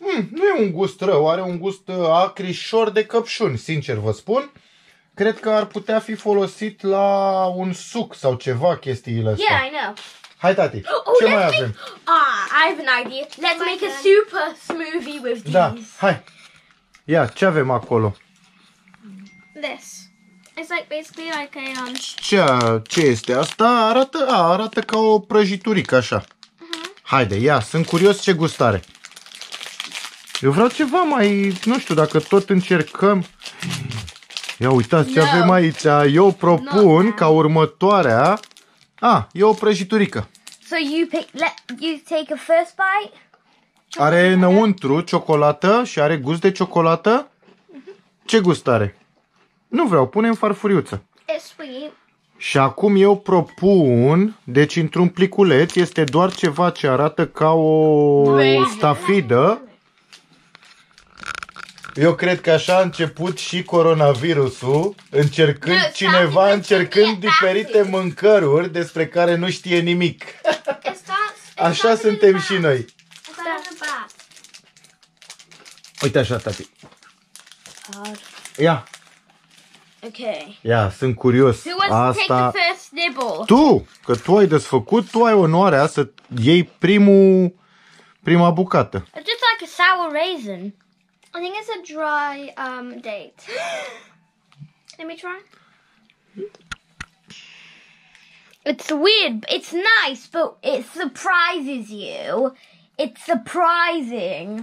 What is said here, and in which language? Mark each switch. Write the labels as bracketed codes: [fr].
[ro] Nu e un gust rău, are un gust acrișor de căpșuni, sincer vă spun. Cred că ar putea fi folosit la un suc sau ceva chestiile astea. [en] Yeah, I know. [ro] Hai, tati, ce mai avem? [en] I have an idea. Let's make a super smoothie with these. [ro] Da, hai. Ia, ce avem acolo? [en] This. It's like basically like a... [ro] Ce este asta? Arată ca o prăjiturică, așa. Uh-huh. Haide, ia, sunt curios ce gust are. Eu vreau ceva mai, nu știu, dacă tot încercăm. Ia uitați ce avem aici. Eu propun ca următoarea. E o prăjiturică. [en] So you pick, you take a first bite. [ro] Are înăuntru ciocolată și are gust de ciocolată. Ce gust are? Nu vreau, pune în farfuriuță. [en] It's sweet. [ro] Și acum eu propun, deci într-un pliculeț este doar ceva ce arată ca o stafidă. Eu cred că așa a început și coronavirusul, încercând cineva, încercând diferite mâncăruri despre care nu știe nimic. Așa suntem și noi. Uite așa, tati. Ia. [en] Okay. [ro] Ia, sunt curios. Asta... Tu, că tu ai desfăcut, tu ai onoarea să iei prima bucată. [en] It's just like a sour raisin. I think it's a dry date. Let me try. It's weird, but it's nice, but it surprises you. It's surprising.